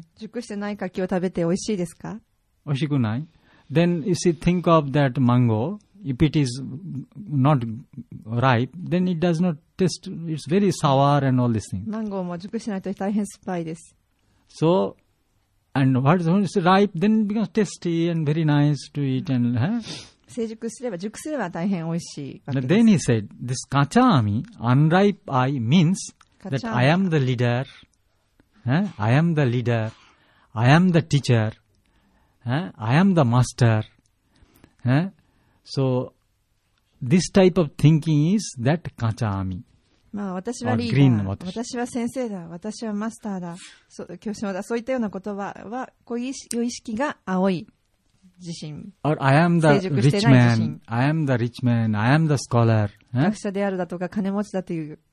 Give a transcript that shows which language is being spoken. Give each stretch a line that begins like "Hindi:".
Japanese: 熟してない柿を食べて美味しいですか？美味しくない。
English: Then you see, think of that mango. If it is not ripe, then it does not. It's very sour and all these things.
Japanese: マンゴーも熟しないと大変酸っぱいです。
English: So, and what is when it's ripe, then it becomes tasty and very nice to eat. And,、huh?
Japanese: 成熟すれば、熟すれば大変おいしいわけです。
English: Then he said, this kachami, unripe eye, means that I am the leader,、huh? I am the leader, I am the teacher,、huh? I am the master.、Huh? So,This type of thinking is that kachami.
Japanese: まあ私はリーダー、
English: green,
Japanese: 私は先生だ、私はマスターだ、教師だ、そういったような言葉は、こういう意識が青い自信。
English: Or I am the rich man, I am the rich man, I am the scholar.
Japanese: 学者であるだとか金持ちだという。